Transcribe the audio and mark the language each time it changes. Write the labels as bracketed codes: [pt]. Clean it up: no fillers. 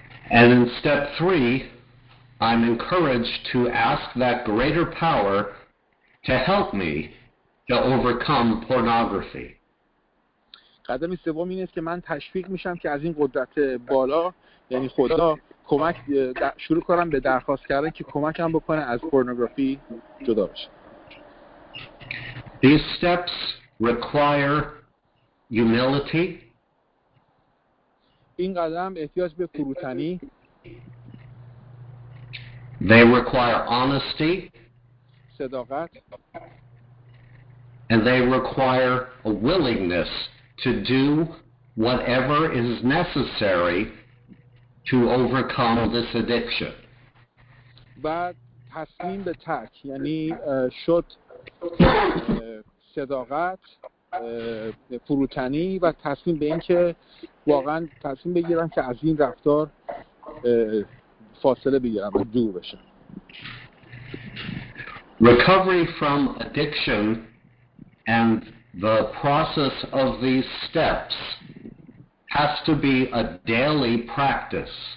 [en] And in step three, I'm encouraged to ask that greater power to help me to overcome pornography. [fa] قدم سوم این است که من تشویق میشم که از این قدرت بالا یعنی خدا کمک شروع کنم به درخواست کردن که کمکم بکنه از پورنوگرافی جدا بشم. [en] These steps require humility. [fa] این قدم احتیاج به فروتنی. [en] They require honesty. [fa] صداقت. [en] And they require a willingness to do whatever is necessary to overcome this addiction. [fa] بعد تصمیم به ترک، یعنی شد صداقت، فروتنی و تصمیم به این که واقعا تصمیم بگیرم که از این رفتار فاصله بگیرم و دور بشم. [en] Recovery from addiction and the process of these steps has to be a daily practice.